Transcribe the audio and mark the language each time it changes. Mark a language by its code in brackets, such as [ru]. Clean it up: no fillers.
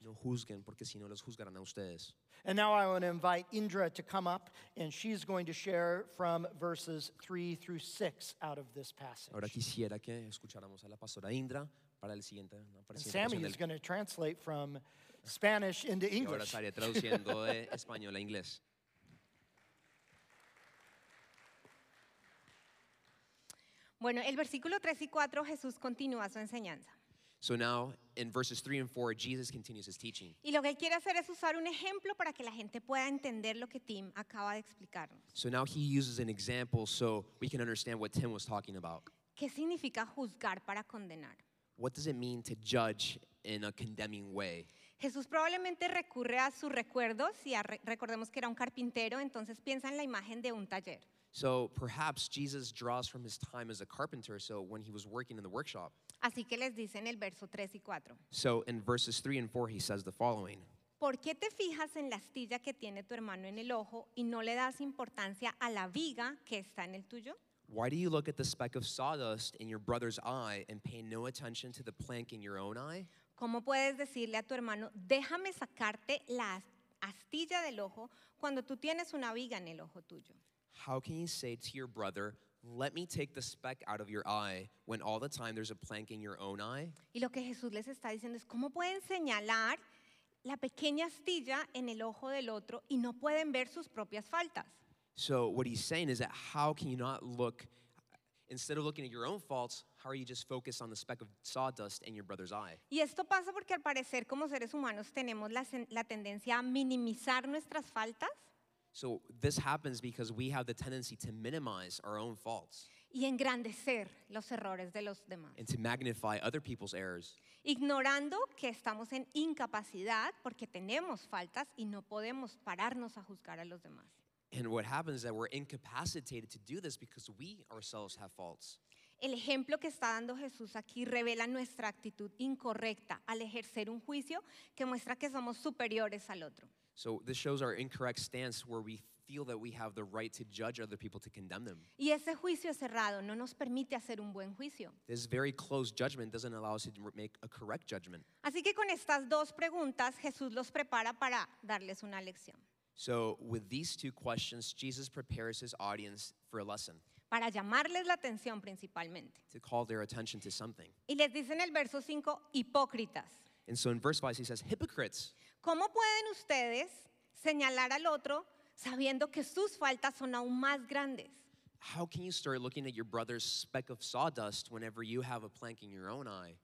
[es] No juzguen, porque si no los juzgarán a ustedes. [en] And now I want to invite Indra to come up, and she's going to share from verses 3-6 out of this passage. [es] Ahora quisiera que escucháramos a la pastora Indra para el siguiente. [en] And Sammy is going to translate from Spanish into English. [es] Y ahora estaría traduciendo de español a inglés. Bueno, el versículo 3 y 4, Jesús continúa su enseñanza. [en] So now, in verses 3 and 4, Jesus continues his teaching. [es] Y lo que quiere hacer es usar un ejemplo para que la gente pueda entender lo que Tim acaba de explicarnos. [en] So now he uses an example so we can understand what Tim was talking about. [es] ¿Qué significa juzgar para condenar? [en] What does it mean to judge in a condemning way? [es] Jesús probablemente recurre a sus recuerdos y recordemos que era un carpintero, entonces piensa en la imagen de un taller. [en] So perhaps Jesus draws from his time as a carpenter, so when he was working in the workshop. [es] Así que les dice en el verso 3 y 4. [en] So in verses 3 and 4 he says the following. [es] ¿Por qué te fijas en la astilla que tiene tu hermano en el ojo y no le das importancia a la viga que está en el tuyo? [en] Why do you look at the speck of sawdust in your brother's eye and pay no attention to the plank in your own eye? [es] ¿Cómo puedes decirle a tu hermano, déjame sacarte la astilla del ojo cuando tú tienes una viga en el ojo tuyo? [en] How can you say to your brother, let me take the speck out of your eye, when all the time there's a plank in your own eye? [es] Y lo que Jesús les está diciendo es, ¿cómo pueden señalar la pequeña astilla en el ojo del otro y no pueden ver sus propias faltas? [en] So what he's saying is that how can you not look, instead of looking at your own faults, how are you just focused on the speck of sawdust in your brother's eye? [es] Y esto pasa porque al parecer como seres humanos tenemos la tendencia a minimizar nuestras faltas. [en] So this happens because we have the tendency to minimize our own faults. [es] Y engrandecer los errores de los demás. [en] And to magnify other people's errors. [es] Ignorando que estamos en incapacidad porque tenemos faltas y no podemos pararnos a juzgar a los demás. [en] And what happens is that we're incapacitated to do this because we ourselves have faults. [es] El ejemplo que está dando Jesús aquí revela nuestra actitud incorrecta al ejercer un juicio que muestra que somos superiores al otro. [en] So this shows our incorrect stance where we feel that we have the right to judge other people, to condemn them. [es] Y ese juicio cerrado no nos permite hacer un buen juicio. [en] This very closed judgment doesn't allow us to make a correct judgment. [es] Así que con estas dos preguntas, Jesús los prepara para darles una lección. [en] So with these two questions, Jesus prepares his audience for a lesson. [es] Para llamarles la atención principalmente. [en] To call their attention to something. [es] Y les dice en el verso 5, hipócritas. [en] And so in verse 5 he says, hypocrites. [es] ¿Cómo pueden ustedes señalar al otro sabiendo que sus faltas son aún más grandes? [en] How can you start looking at your brother's speck of sawdust whenever you have a plank in your own eye?